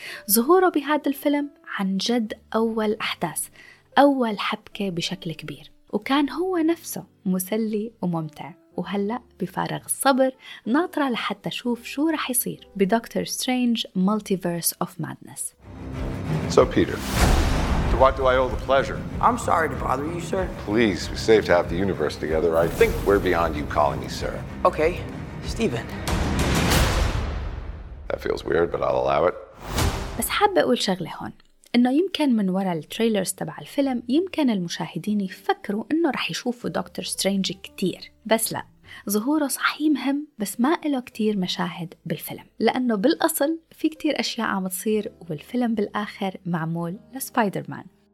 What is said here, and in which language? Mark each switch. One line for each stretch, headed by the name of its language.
Arabic: ظهوره بهذا الفيلم عن جد أول أحداث، أول حبكة بشكل كبير، وكان هو نفسه مسلي وممتع. وهلأ بفارغ الصبر ناطرة لحتى شوف شو رح يصير بدكتور سترينج مالتيفيرس أوف مادنس.
English: So Peter, to what do I owe the pleasure? I'm sorry to bother you, sir. Please, we saved half the universe together. I think we're beyond you calling me sir. Okay, Steven. That feels weird, but I'll allow it.
Arabic: بس حابة أقول شغلة هون، إنه يمكن من وراء التريلرز تبع الفيلم يمكن المشاهدين يفكروا إنه رح يشوفوا دكتور سترينج كتير، بس لا، ظهوره صحي مهم بس ما إله كتير مشاهد بالفيلم، لأنه بالأصل في كتير أشياء عم تصير والفيلم بالآخر معمول لسبايدر مان.